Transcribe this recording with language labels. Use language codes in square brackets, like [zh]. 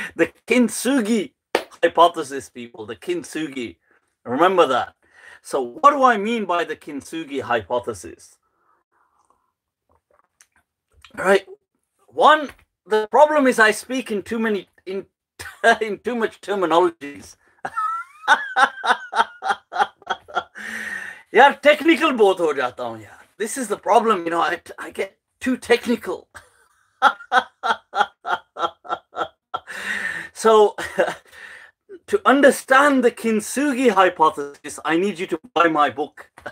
[en] The Kintsugi hypothesis, people. The Kintsugi. Remember that. So what do I mean by the Kintsugi hypothesis? Right, one, the problem is I speak in too many in too much terminologies. [ur] Yeah, technical بہت ہو جاتا ہوں، یار۔ [en] This is the problem, you know, I get too technical. So to understand the Kintsugi hypothesis, I need you to buy my book.